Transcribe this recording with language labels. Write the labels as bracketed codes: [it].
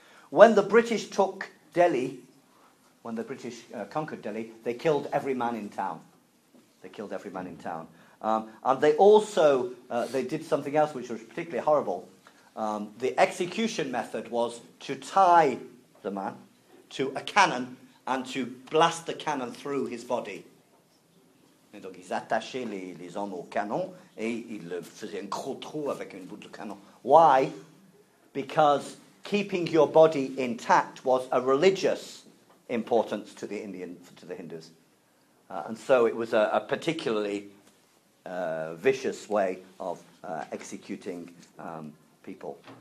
[en] When the British took Delhi, when the British conquered Delhi, they killed every man in town. They killed every man in town. And they also, they did something else which was particularly horrible. The execution method was to tie the man to a cannon and to blast the cannon through his body. [fr] Et donc ils attachaient les hommes au canon et ils le faisaient un gros trou avec une boule de canon. [en] Why? Because keeping your body intact was a religious importance to the Indians, to the Hindus. And so it was a particularly vicious way of executing people.